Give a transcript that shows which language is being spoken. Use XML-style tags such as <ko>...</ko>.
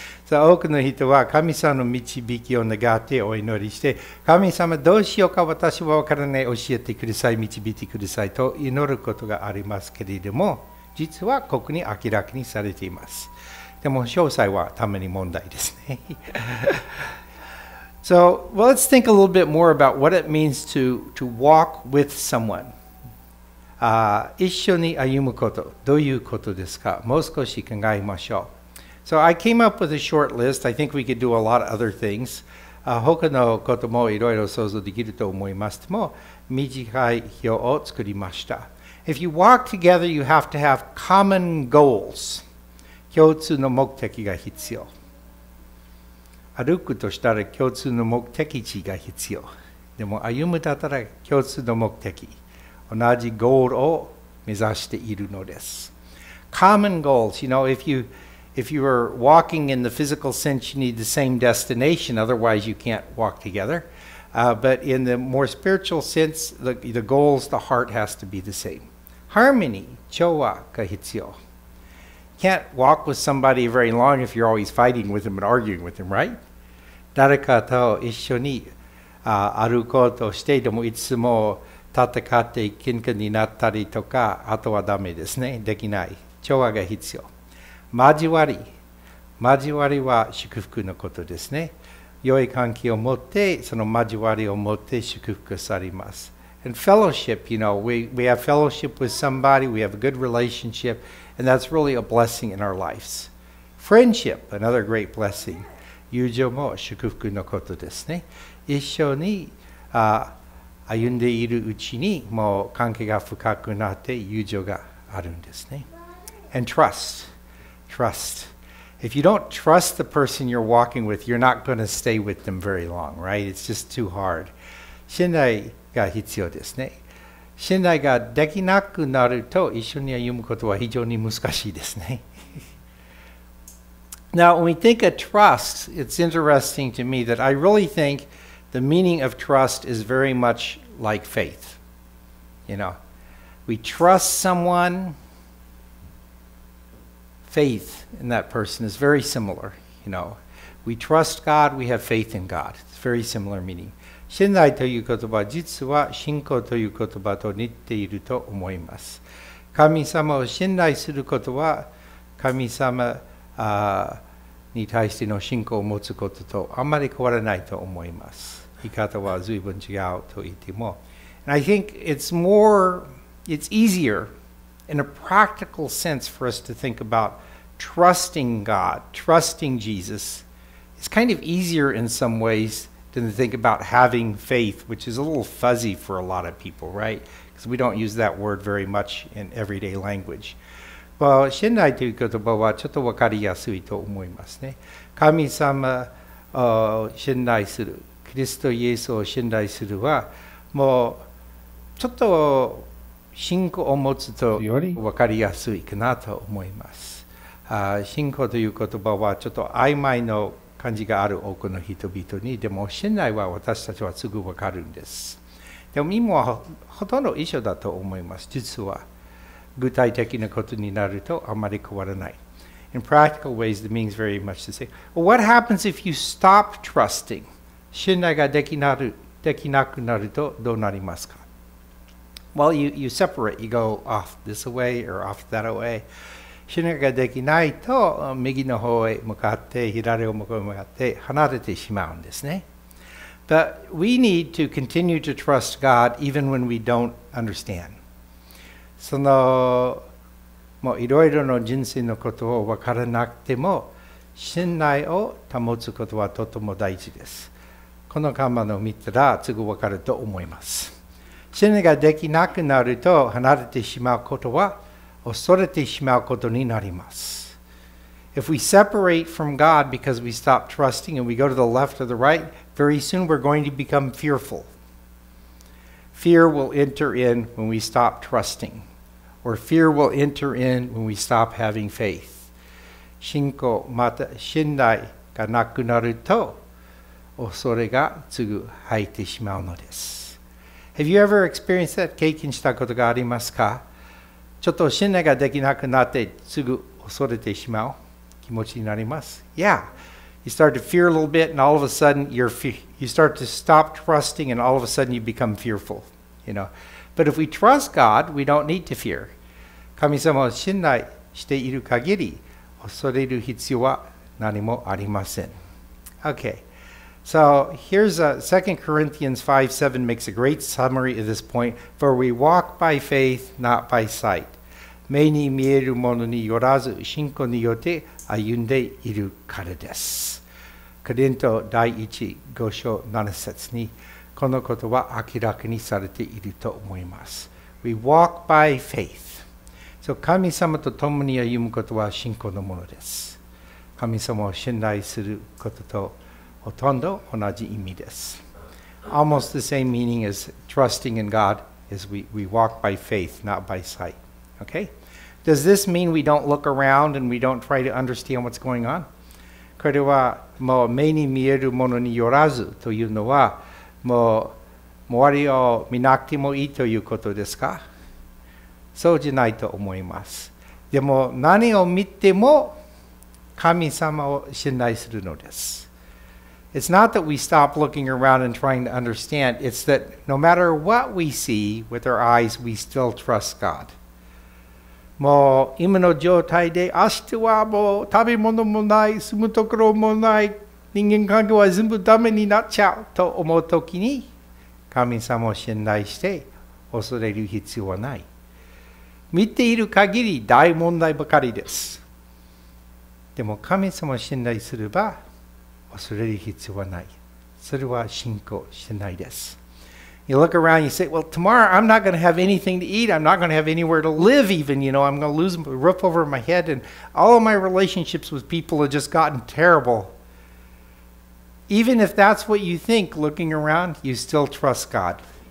<ja>多くの人は神様の導きを願ってお祈りして、神様どうしようか私は分からない、教えてください、導いてくださいと祈ることがありますけれども、実はここに明らかにされています。でも詳細はために問題ですね。</ja> <en>So, well, let's think a little bit more about what it means to walk with someone.</en> <ja>一緒に歩むこと、どういうことですか？もう少し考えましょう。</ja> <en>So I came up with a short list. I think we could do a lot of other things.</en> <ja>他のこともいろいろ想像できると思いますけども、短い表を作りました。</ja> <en>If you walk together, you have to have common goals.</en> <ja>共通の目的が必要。歩くとしたら共通の目的地が必要。でも歩むだったら共通の目的。同じゴールを目指しているのです。</ja> <en>Common goals. You know, if you are walking in the physical sense, you need the same destination, otherwise you can't walk together. But in the more spiritual sense, the goals, the heart has to be the same.</en> <ja>Harmony, 調和が必要。</ja> <en>Can't walk with somebody very long if you're always fighting with them and arguing with them, right?</en> <ja>誰かと一緒に歩こうとしてでもいつも戦って喧嘩になったりとか、あとはダメですね。できない。調和が必要。交わりは祝福のことですね。良い関係を持って、その交わりを持って祝福されます。</ja> <en>And fellowship, you know, we have fellowship with somebody, we have a good relationship, and that's really a blessing in our lives. Friendship, another great blessing.</en> <ja>友情も祝福のことですね。一緒に歩んでいるうちに、もう関係が深くなって友情があるんですね。</ja> <en>And trust. If you don't trust the person you're walking with, you're not going to stay with them very long, right? It's just too hard.</en> <ja>信頼が必要ですね。信頼ができなくなると一緒に歩むことは非常に難しいですね。</ja> <en>Now, when we think of trust, it's interesting to me that I really think the meaning of trust is very much like faith. You know, we trust someone, faith in that person is very similar. You know, we trust God, we have faith in God. It's very similar meaning.</en> <ja>信頼という言葉は実は信仰という言葉と似ていると思います。神様を信頼することは神様に対しての信仰を持つこととあまり変わらないと思います。言い方は随分違うと言っても。</ja> <en>And I think it's easier in a practical sense for us to think about trusting God, trusting Jesus. It's kind of easier in some ways than to think about having faith, which is a little fuzzy for a lot of people, right? Because we don't use that word very much in everyday language.</en> <ja>Well, 信頼という言葉はちょっと分かりやすいと思いますね。神様を信頼する、キリストイエスを信頼するは、もうちょっと信仰を持つと分かりやすいかなと思います。信仰という言葉はちょっと曖昧の感じがある多くの人々に、でも信頼は私たちはすぐ分かるんです。でも意味は ほとんど一緒だと思います、実は。具体的なことになるとあまり変わらない。</ja> <en>In practical ways, the meaning is very much the same. Well, what happens if you stop trusting?</en> <ja>信頼ができなくなるとどうなりますか?</ja> <en>Well, you separate. You go off this way or off that way.</en> <ja>信頼ができないと右の方へ向かって左を向かって離れてしまうんですね。</ja> <en>But we need to continue to trust God even when we don't understand.</en> <ja>そのもういろいろの人生のことを分からなくても信頼を保つことはとても大事です。このカマのを見たらすぐ分かると思います。信頼ができなくなると離れてしまうことは恐れてしまうことになります。</ja> <en>If we separate from God because we stop trusting and we go to the left or the right, very soon we're going to become fearful. Fear will enter in when we stop trusting. Or fear will enter in when we stop having faith.</en> <ja>信仰また信頼がなくなると恐れがすぐ入ってしまうのです。</ja> <en>Have you ever experienced that?</en> <ja>経験したことがありますか? ちょっと信頼ができなくなってすぐ恐れてしまう気持ちになります。</ja> <en>Yeah. You start to fear a little bit and all of a sudden You start to stop trusting and all of a sudden you become fearful. You know? But if we trust God, we don't need to fear.</en> <ja>神様を信頼している限り、恐れる必要は何もありません。</ja> <en>Okay. So here's 2 Corinthians 5:7 makes a great summary of this point. For we walk by faith, not by sight.</en> <ja>目に見えるものによらず、信仰によって歩んでいるからです。コリント第1、5章7節にこのことは明らかにされていると思います。</ja> <en>We walk by faith.</en> <ja>So 神様と共に歩むことは信仰のものです。神様を信頼することとほとんど同じ意味です。</ja> <en>Almost the same meaning as trusting in God is we walk by faith, not by sight. Okay? Does this mean we don't look around and we don't try to understand what's going on?</en> <ja>これはもう目に見えるものによらずというのはもう周りを見なくてもいいということですか? そうじゃないと思います。でも何を見ても神様を信頼するのです。</ja> <en>It's not that we stop looking around and trying to understand. It's that no matter what we see with our eyes, we still trust God.</en> <ja>もう今の状態で明日はもう食べ物もない住むところもない人間関係は全部ダメになっちゃうと思うときに神様を信頼して恐れる必要はない見ている限り大問題ばかりですでも神様を信頼すれば恐れる必要はないそれは信仰しないです</ja> <en>You look around, you say, well, tomorrow I'm not going to have anything to eat. I'm not going to have anywhere to live even. You know, I'm going to lose a roof over my head. And all of my relationships with people have just gotten terrible. Even if that's what you think, looking around, you still trust God.</en>